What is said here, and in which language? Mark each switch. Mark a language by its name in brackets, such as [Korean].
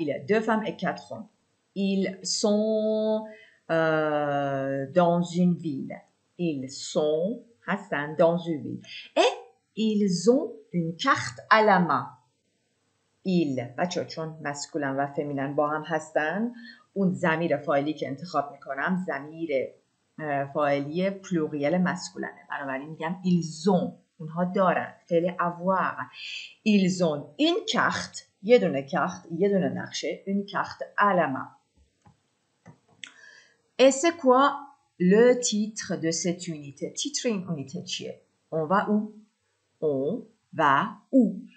[French] Il y a deux femmes et quatre hommes. Ils sont dans une ville. Ils sont, Hassan, dans une ville. Et ils ont une carte à la main. [Persian] Ils, بچه چون مسکولن و فمینن با هم هستن، اون زمیر فاعلی که انتخاب میکنم زمیر فاعلی پلوریل مسکولنه. بنابراین میگم [French] ils ont. [Persian] اونها دارن. فعل avoir. [French] Ils ont une carte. [Persian] یه دونه کارت. یه دونه نقشه. [French] Une carte à la main. Et c'est quoi le titre de cette unité? Titre این unité چیه؟ On va où? On va où?